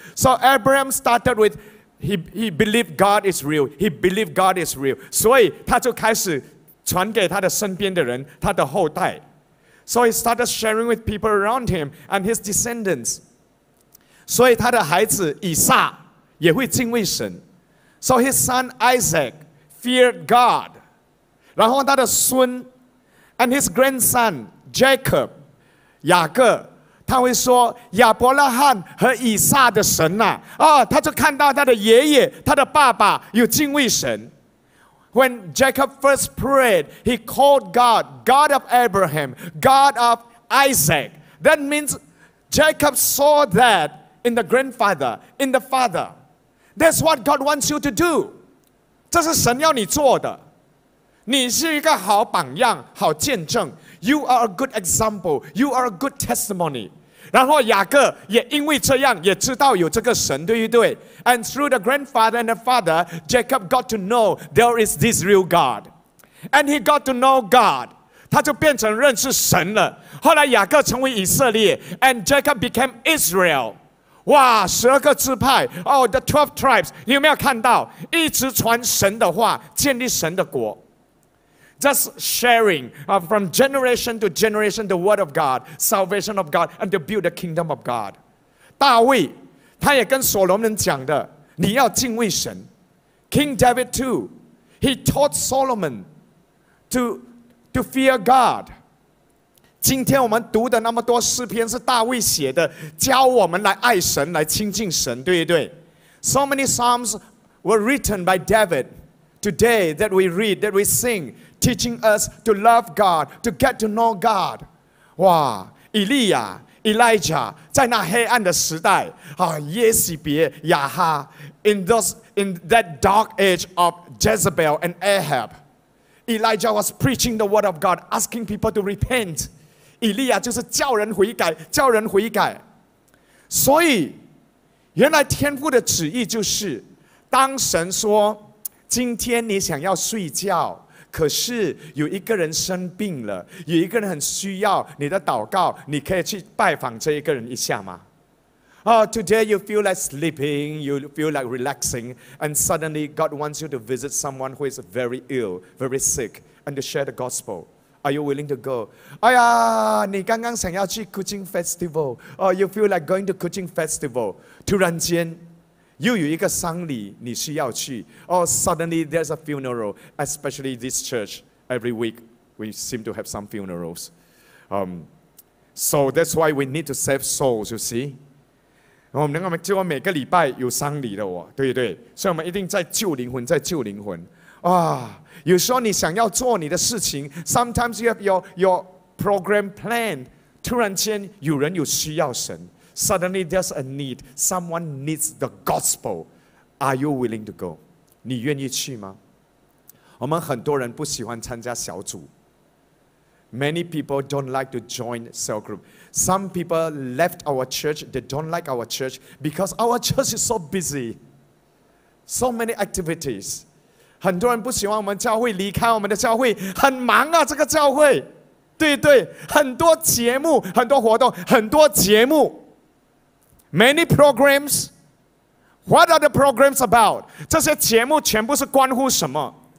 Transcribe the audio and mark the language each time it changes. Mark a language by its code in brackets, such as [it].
[en] So Abraham started withHe believed God is real. He believed God is real. [zh] 所以他就开始传给他的身边的人，他的后代。 [en] So he started sharing with people around him and his descendants. 所以他的孩子以撒也会敬畏神。 So his son Isaac feared God. [zh] 然后他的孙 [en] and his grandson Jacob, [zh] 雅各他会说亚伯拉罕和以撒的神啊、哦、他就看到他的爷爷他的爸爸有敬畏神。 [en] When Jacob first prayed, he called God, God of Abraham, God of Isaac. That means Jacob saw that in the grandfather, in the father. That's what God wants you to do. [zh] 这是神要你做的。你是一个好榜样，好见证。 [en] You are a good example. You are a good testimony. [zh] 然后雅各也因为这样也知道有这个神，对不对？ [en] And through the grandfather and the father, Jacob got to know there is this real God. And he got to know God. [zh] 他就变成认识神了。后来雅各成为以色列， [en] and Jacob became Israel. [zh] 哇，十二个支派， [en] oh, the 12 tribes. [zh] 你有没有看到？一直传神的话，建立神的国。 [en] Just sharing from generation to generation the word of God, salvation of God, and to build the kingdom of God. [zh] 大卫他也跟所罗门讲的，你要敬畏神。 [en] King David too, he taught Solomon to fear God. [zh] 今天我们读的那么多诗篇是大卫写的，教我们来爱神，来亲近神，对不对？ [en] So many psalms were written by David today that we read, that we sing. Teaching us to love God, to get to know God. [zh] 哇，以利亚、 [en] Elijah [zh] 在那黑暗的时代，啊，耶洗别、亚哈 [en] in that dark age of Jezebel and Ahab, Elijah was preaching the word of God, asking people to repent. [zh] 以利亚就是叫人悔改，叫人悔改。所以，原来天父的旨意就是，当神说，今天你想要睡觉。可是有一个人生病了，有一个人很需要你的祷告，你可以去拜访这一个人一下吗？ [en] Oh, today you feel like sleeping, you feel like relaxing, and suddenly God wants you to visit someone who is very ill, very sick, and to share the gospel. Are you willing to go? [zh] 哎呀，你刚刚想要去 [en] Kuching Festival, or you feel like going to Kuching Festival, [zh] 突然间又有一个丧礼你需要去 [en] Oh, suddenly there's a funeral, especially this church, every week we seem to have some funerals. So that's why we need to save souls, you see. [zh] 我们每个礼拜有丧礼的哦, 对不对? 所以我们一定在救灵魂, 有时候你想要做你的事情, [en] sometimes you have your program planned, [zh] 突然间有人有需要神, [en] suddenly there's a need, someone needs the gospel. Are you willing to go? [zh] 你愿意去吗?我们很多人不喜欢参加小组, [en] many people don't like to join cell group. Some people left our church, they don't like our church because our church is so busy. So many activities. [zh] 很多人不喜欢我们教会离开我们的教会,很忙啊, 这个教会。对对, 很多节目, 很多活动, 很多节目。 [en] Many programs. What are the programs about? [zh] 这些节目全部是关乎什么?